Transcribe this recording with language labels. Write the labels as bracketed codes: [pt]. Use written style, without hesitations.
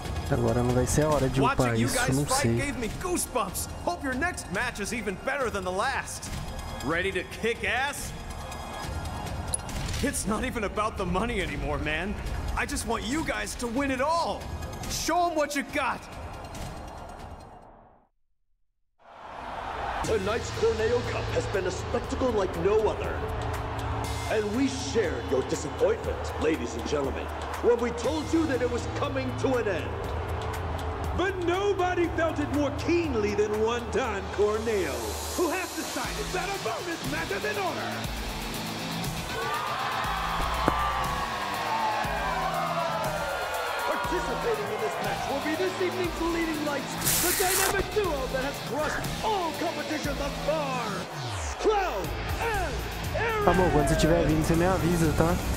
[pt] Agora não vai ser a hora de upar isso, não sei. [en] Gave me goosebumps. Hope your next match is even better than the last. Ready to kick ass? It's not even about the money anymore, man. I just want you guys to win it all. Show them what you got. Tonight's Corneo Cup has been a spectacle like no other. And we shared your disappointment, ladies and gentlemen, when we told you that it was coming to an end. But nobody felt it more keenly than one Don Corneo, who has decided that a bonus match is in order. Participating in this match will be this evening's leading lights, the dynamic duo that has crushed all competition thus far, Cloud and Aaron. [pt] Amor, quando você estiver vindo, você me avisa, tá?